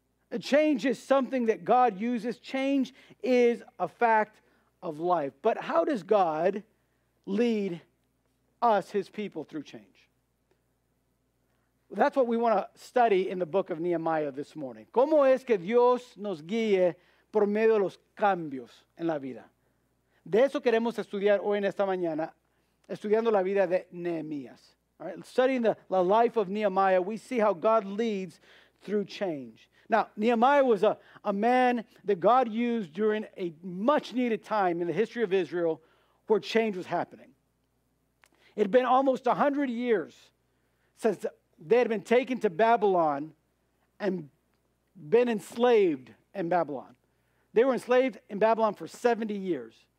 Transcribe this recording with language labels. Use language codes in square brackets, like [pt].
[en] A change is something that God uses. Change is a fact of life. But how does God lead us, His people, through change? That's what we want to study in the book of Nehemiah this morning. [es] ¿Cómo es que Dios nos guíe por medio de los cambios en la vida? De eso queremos estudiar hoy en esta mañana. Estudiando la vida de Nehemías. [en] All right? Studying the life of Nehemiah, we see how God leads through change. Now, Nehemiah was a man that God used during a much-needed time in the history of Israel where change was happening. It had been almost 100 years since they had been taken to Babylon and been enslaved in Babylon. They were enslaved in Babylon for 70 years.